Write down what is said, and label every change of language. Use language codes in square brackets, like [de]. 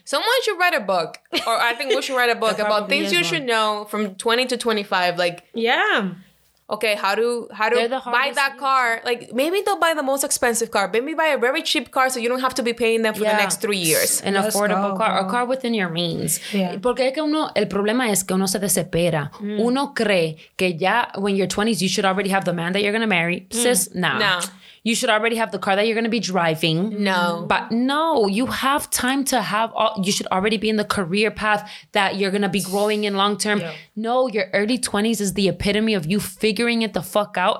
[en] Someone should write a book, or I think we should write a book about things you should know from 20 to 25. Like, yeah. Okay, how to buy that car? Like, maybe don't buy the most expensive car. Maybe buy a very cheap car so you don't have to be paying them for the next 3 years. An affordable car, a car within your means. Yeah. [es] Porque es que uno, el problema es que uno se desespera. Mm. Uno cree que ya, [en] when you're 20s, you should already have the man that you're going to marry. Mm. Sis, nah. you should already have the car that you're going to be driving. No. But no, you have time to have all, you should already be in the career path that you're going to be growing in long term. Yeah. No, your early 20s is the epitome of you figuring it the fuck out.